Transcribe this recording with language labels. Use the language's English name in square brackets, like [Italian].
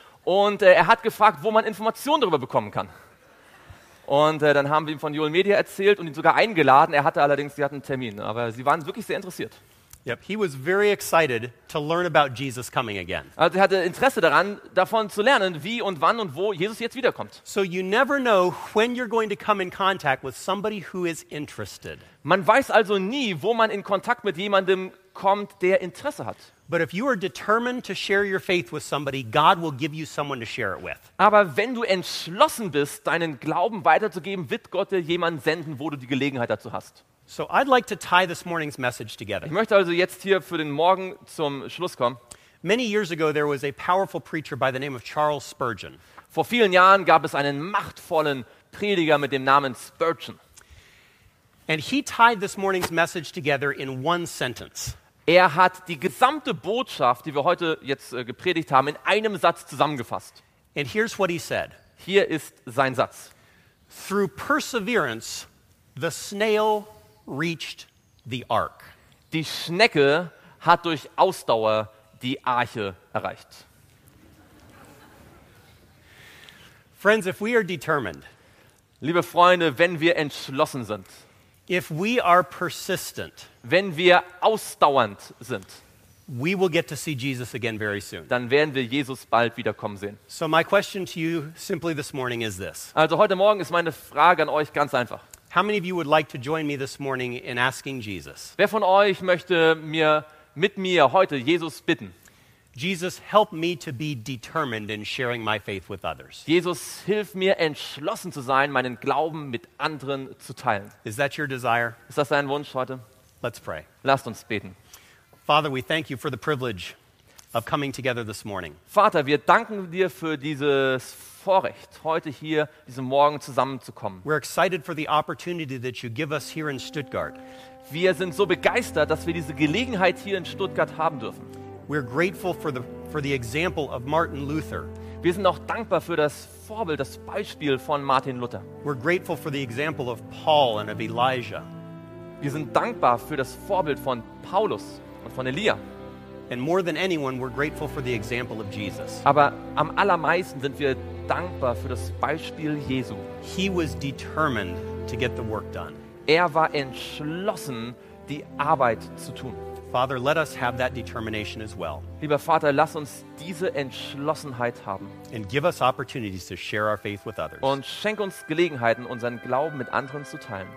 [German] Und er hat gefragt, wo man Informationen darüber bekommen kann. Und dann haben wir ihm von Joel Media erzählt und ihn sogar eingeladen. Er hatte allerdings, sie hatten einen Termin, aber sie waren wirklich sehr interessiert. [English] Yep, he was very excited to learn about Jesus coming again. [German] Also er hatte Interesse daran, davon zu lernen, wie und wann und wo Jesus jetzt wiederkommt. [English] So you never know when you're going to come in contact with somebody who is interested. [German] Man weiß also nie, wo man in Kontakt mit jemandem kommt, der Interesse hat. [English] But if you are determined to share your faith with somebody, God will give you someone to share it with. [German] Aber wenn du entschlossen bist, deinen Glauben weiterzugeben, wird Gott dir jemanden senden, wo du die Gelegenheit dazu hast. [English] So I'd like to tie this morning's message together. [German] Ich möchte also jetzt hier für den Morgen zum Schluss kommen. [English] Many years ago there was a powerful preacher by the name of Charles Spurgeon. [German] Vor vielen Jahren gab es einen machtvollen Prediger mit dem Namen Spurgeon. [English] And he tied this morning's message together in one sentence. [German] Er hat die gesamte Botschaft, die wir heute jetzt gepredigt haben, in einem Satz zusammengefasst. [English] And here's what he said. [German] Hier ist sein Satz. [English] Through perseverance the snail reached the ark. [German] Die Schnecke hat durch Ausdauer die Arche erreicht. [English] Friends, if we are determined. [German] Liebe Freunde, wenn wir entschlossen sind. [English] If we are persistent. [German] Wenn wir ausdauernd sind. [English] We will get to see Jesus again very soon. [German] Dann werden wir Jesus bald wiederkommen sehen. [English] So my question to you simply this morning is this. [German] Also heute Morgen ist meine Frage an euch ganz einfach. [English] How many of you would like to join me this morning in asking Jesus? [German] Wer von euch möchte mit mir heute Jesus bitten? [English] Jesus, help me to be determined in sharing my faith with others. [German] Jesus, hilf mir entschlossen zu sein, meinen Glauben mit anderen zu teilen. [English] Is that your desire? [German] Ist das dein Wunsch heute? [English] Let's pray. [German] Lasst uns beten. [English] Father, we thank you for the privilege of coming together this morning. [German] Vater, wir danken dir für dieses Vorrecht, heute hier diesen Morgen zusammenzukommen. [English] We're excited for the opportunity that you give us here in Stuttgart. [German] Wir sind so begeistert, dass wir diese Gelegenheit hier in Stuttgart haben dürfen. [English] We're grateful for the example of Martin Luther. [German] Wir sind auch dankbar für das Vorbild, das Beispiel von Martin Luther. [English] We're grateful for the example of Paul and of Elijah. [German] Wir sind dankbar für das Vorbild von Paulus und von Elia. [English] And more than anyone, we're grateful for the example of Jesus. [German] Aber am allermeisten sind wir dankbar für das Beispiel Jesu. [English] He was determined to get the work done. [German] Er war entschlossen, die Arbeit zu tun. [English] Father, let us have that determination as well. [German] Lieber Vater, lass uns diese Entschlossenheit haben. [English] And give us opportunities to share our faith with others. [German] Und schenk uns Gelegenheiten, unseren Glauben mit anderen zu teilen.